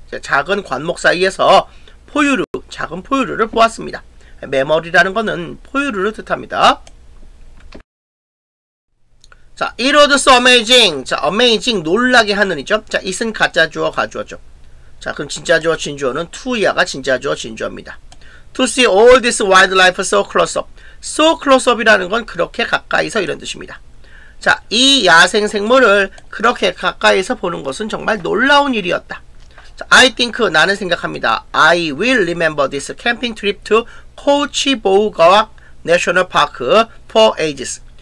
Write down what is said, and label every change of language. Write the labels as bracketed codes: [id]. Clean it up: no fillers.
[ko] 작은 관목 사이에서 포유류, 작은 포유류를 보았습니다. 메머리라는 것은 포유류를 뜻합니다. [en] 자, it was so amazing. 자, amazing, 놀라게 하느니죠. [ko] 자, it은 가짜 주어, 가주어죠. 자, 그럼 진짜 주어, 진주어는 투이야가 진짜 주어, 진주어입니다. [en] To see all this wildlife so close up. [ko] So close up이라는 건 그렇게 가까이서 이런 뜻입니다. 자, 이 야생 생물을 그렇게 가까이서 보는 것은 정말 놀라운 일이었다. [en] I think, 나는 생각합니다. I will remember this camping trip to Cochibouga National Park for ages.